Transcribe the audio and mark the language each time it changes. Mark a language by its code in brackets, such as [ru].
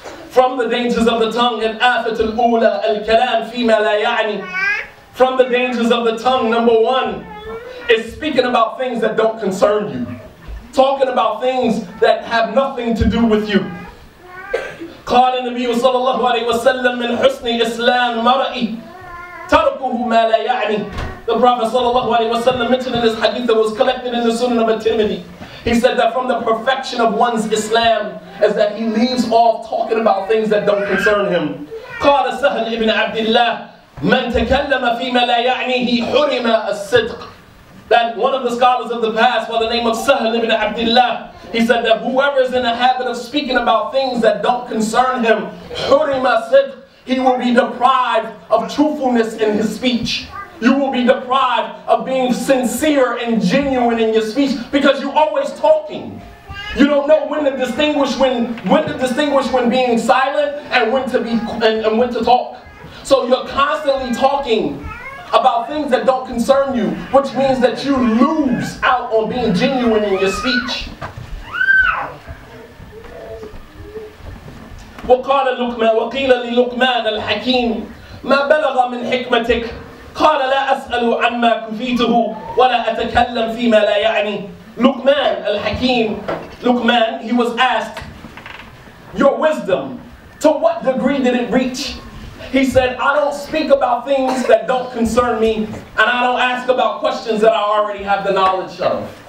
[en] From the dangers of the tongue, [ar] in afat al-ula al-kalam fima la ya'ni. [en] From the dangers of the tongue, number one, is speaking about things that don't concern you. Talking about things that have nothing to do with you. [ar] قال النبي صلى الله عليه وسلم من حسن الإسلام مرئي تركه ما لا يعني. [en] The Prophet [ar] صلى الله عليه وسلم [en] mentioned in this hadith that was collected in the Sunan of Tirmidhi. He said that from the perfection of one's Islam is that he leaves off talking about things that don't concern him. [ar] قال سهل ابن عبد الله من تكلم فيما لا يعنيه حرم الصدق. [en] That one of the scholars of the past by the name of Sahl ibn Abdullah, he said that whoever is in the habit of speaking about things that don't concern him, [ar] hurima sidq, [en] he will be deprived of truthfulness in his speech. You will be deprived of being sincere and genuine in your speech because you're always talking. You don't know when to distinguish when being silent and when to talk. So you're constantly talking about things that don't concern you, which means that you lose out on being genuine in your speech. [ar] وقال لقمان وقيل للقمان الحكيم ما بلغ من حكمتك قال لا أسأل عما كفيته ولا أتكلم فيما لا يعني. [en] لقمان الحكيم, لقمان, he was asked, your wisdom, to what degree did it reach? He said, I don't speak about things that don't concern me, and I don't ask about questions that I already have the knowledge of.